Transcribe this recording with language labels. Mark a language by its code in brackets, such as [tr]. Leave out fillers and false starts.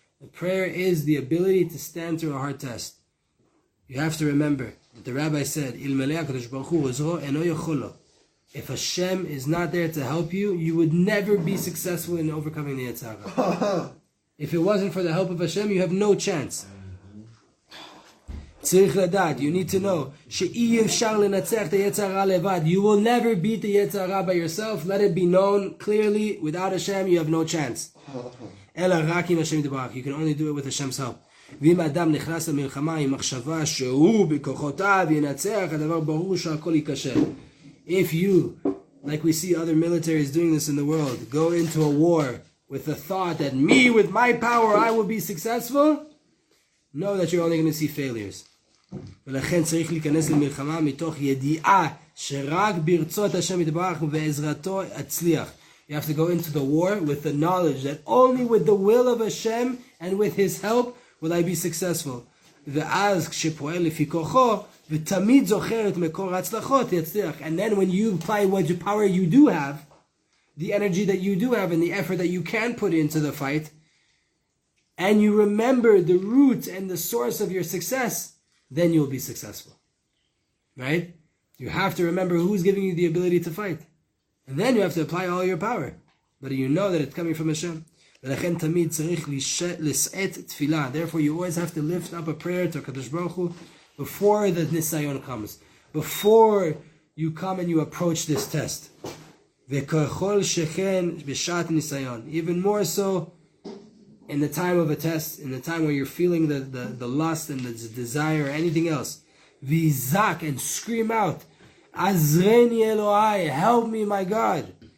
[en] The prayer is the ability to stand through a hard test. You have to remember that the rabbi said, [he] ilmelei HaKadosh Baruch Hu ozro eno yecholo. [en] If Hashem is not there to help you, you would never be successful in overcoming the Yetzara. If it wasn't for the help of Hashem, you have no chance. [he] צריך לדעת, [en] you need to know, [he] שאי אפשר לנצח את היצרה לבד. [en] You will never beat the יצרה by yourself. Let it be known clearly, without Hashem, you have no chance. [he] אלא רק עם Hashem יתברך. [en] You can only do it with Hashem's help. [he] ואם האדם נכנס למלחמה עם מחשבה שהוא בכוחותיו ינצח, הדבר ברור שהכל ייכשל. [en] If you, like we see other militaries doing this in the world, go into a war with the thought that me, with my power, I will be successful, know that you're only going to see failures. [he] ולכן צריך להיכנס למלחמה מתוך ידיעה שרק ברצות השם יתברך ובעזרתו אצליח. [en] You have to go into the war with the knowledge that only with the will of Hashem and with His help will I be successful. [he] ואז כשפועל לפי כוחו ותמיד זוכר את מקור ההצלחות יצליח. [en] And then when you apply what power you do have, the energy that you do have and the effort that you can put into the fight, and you remember the root and the source of your success, then you'll be successful. Right? You have to remember who's giving you the ability to fight. And then you have to apply all your power. But you know that it's coming from Hashem. [he] ולכן תמיד צריך לשאת תפילה. [en] Therefore, you always have to lift up a prayer to HaKadosh Baruch Hu before the Nisayon comes. Before you come and you approach this test. [he] וככל שכן בשעת ניסיון. [en] Even more so, in the time of a test, in the time where you're feeling the lust and the desire or anything else, vizak and scream out, [he] Azreni Elohai, [en] help me, my God.